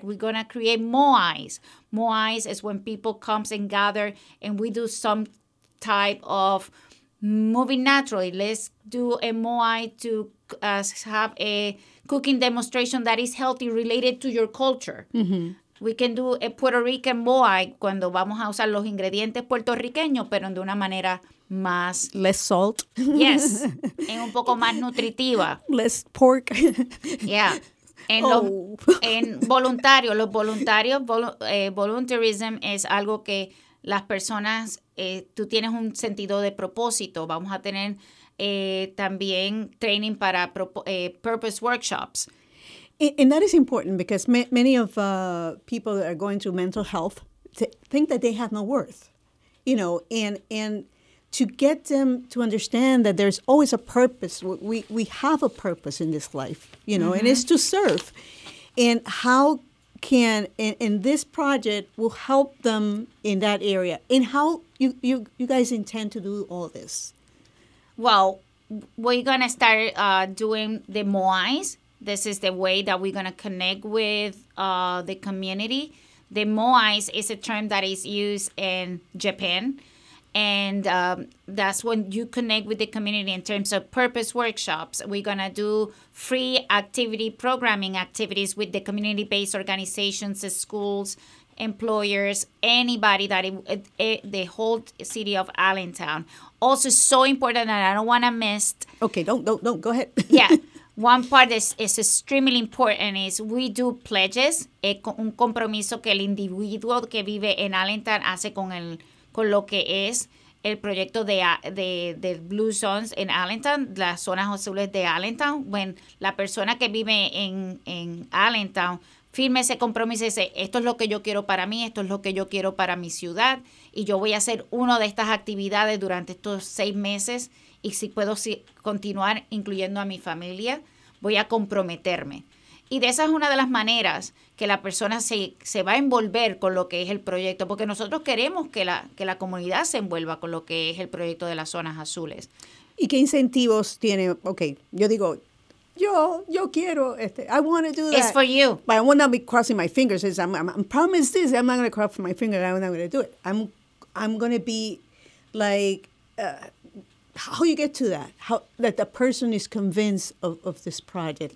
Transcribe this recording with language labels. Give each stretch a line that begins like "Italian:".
English: We're going to create moais. Moais is when people come and gather and we do some type of moving naturally. Let's do a moai to have a cooking demonstration that is healthy related to your culture. We can do a Puerto Rican moai
Spanish: cuando vamos a usar los ingredientes puertorriqueños, pero de una manera más...
English: Less salt.
Spanish: Yes. En un poco más nutritiva.
English: Less pork. Yeah.
Spanish: En voluntarios, los voluntarios, voluntarism es algo que las personas, tú tienes un sentido de propósito. Vamos a tener también training para purpose workshops.
English: And that is important because many of people that are going through mental health think that they have no worth, you know, and to get them to understand that there's always a purpose. We have a purpose in this life, you know, and it's to serve. And how can in this project will help them in that area. And how you guys intend to do all this? Well, we're going to start doing the moais. This is the way that we're going to connect with the community. The moais is a term that is used in Japan. And that's when you connect with the community in terms of purpose workshops. We're going to do free activity programming activities with the community-based organizations, schools, employers, anybody that the whole city of Allentown. Also, so important that I don't want to miss. Okay, don't. Go ahead. Yeah. One part is extremely important is we do pledges,
Spanish: un compromiso que el individuo que vive en Allentown hace con el con lo que es el proyecto de Blue Zones en Allentown, las zonas azules de Allentown. When la persona que vive en Allentown firme ese compromiso y dice, esto es lo que yo quiero para mí, esto es lo que yo quiero para mi ciudad, y yo voy a hacer una de estas actividades durante estos 6 meses, y si puedo continuar incluyendo a mi familia, voy a comprometerme. Y de esa es una de las maneras que la persona se va a envolver con lo que es el proyecto, porque nosotros queremos que la comunidad se envuelva con lo que es el proyecto de las zonas azules. ¿Y qué incentivos tiene?
English: Okay,
Spanish: yo digo, yo quiero,
English: I want to do that. It's for you. But I will not be crossing my fingers. I'm promised this, I'm not going to cross my fingers, I'm not going to do it. I'm going to be like, how you get to that? How that the person is convinced of this project?